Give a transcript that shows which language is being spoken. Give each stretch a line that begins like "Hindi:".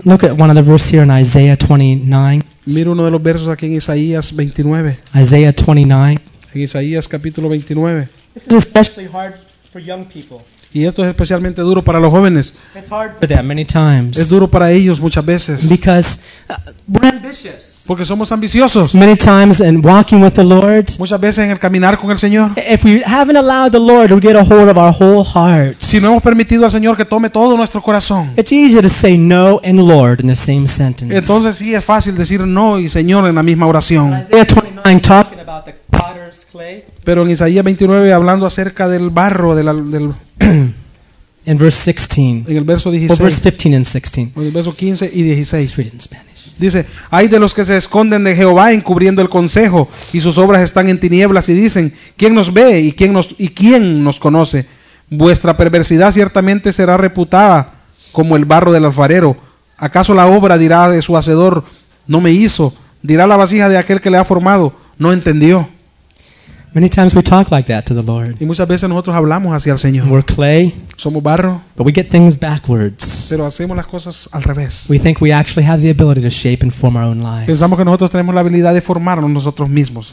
English: Look at one of the verses here in Isaiah 29.
Spanish: Mira uno de los versos aquí en Isaías 29.
English: Isaiah 29.
Spanish: En Isaías capítulo 29.
English: This is especially hard for young people.
Spanish: Y esto es especialmente duro para los jóvenes.
English: It's hard for them many times.
Spanish: Es duro para ellos muchas veces.
English: Because we're ambitious. ambitious.
Spanish: Porque somos ambiciosos.
English: Many times in walking with the Lord.
Spanish: Muchas veces en el caminar con el Señor.
English: If we haven't allowed the Lord to get a hold of our whole heart.
Spanish: Si no hemos permitido al Señor que tome todo nuestro corazón.
English: It's easy to say no and Lord in the same sentence.
Spanish: Entonces sí es fácil decir no y Señor en la misma oración.
English: Isaiah 29 talking about the potter's clay.
Spanish: Pero en Isaías 29 hablando acerca del barro del
English: In verse 16.
Spanish: En el verso 16.
English: Or verse 15 and 16.
Spanish: En el verso 15 y 16.
English: Read in Spanish.
Spanish: Dice, hay de los que se esconden de Jehová encubriendo el consejo, y sus obras están en tinieblas, y dicen, ¿quién nos ve y quién nos conoce? Vuestra perversidad ciertamente será reputada como el barro del alfarero. ¿Acaso la obra dirá de su hacedor, no me hizo? ¿Dirá la vasija de aquel que le ha formado, no entendió?
English: Many times we talk like that to the Lord.
Spanish: Y muchas veces nosotros hablamos hacia el Señor.
English: We're clay.
Spanish: Somos barro.
English: But we get things backwards.
Spanish: Pero hacemos las cosas al revés.
English: We think we actually have the ability to shape and form our own lives.
Spanish: Pensamos que nosotros tenemos la habilidad de formarnos nosotros mismos.